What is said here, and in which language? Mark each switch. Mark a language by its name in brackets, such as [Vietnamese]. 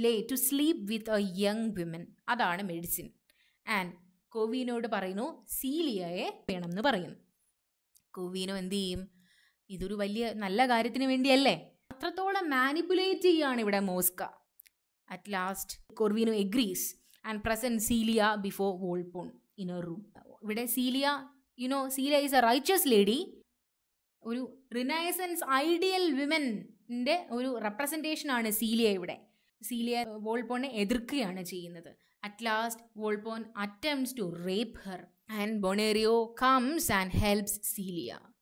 [English] to sleep with a young women, [Malayalam] അതാണ് medicine. And കൊർവിനോയോട് പറയുന്നു സീലിയയെ വേണം എന്ന് പറയുന്നു. കൊർവിനോ എന്ത് ചെയ്യും? ഇതൊരു വലിയ നല്ല കാര്യത്തിന് വേണ്ടിയല്ലേ, അത്രത്തോളം മാനിപ്പുലേറ്റ് ചെയ്യുകയാണ് ഇവിടെ മോസ്ക. [English] At last Corvino agrees and present Celia before Volpone in a room. [Malayalam] ഇവിടെ cilia, [English] you know Celia is a riches lady, [Malayalam] ഒരു റിനൈസൻസ് ഐഡിയൽ വിമൻ്റെ ഒരു റെപ്രസെൻറ്റേഷൻ ആണ് സീലിയ. ഇവിടെ സീലിയ വോൾപോണിനെ എതിർക്കുകയാണ് ചെയ്യുന്നത്. [English] At last Volpone attempts to rape her and Bonario comes and helps Celia.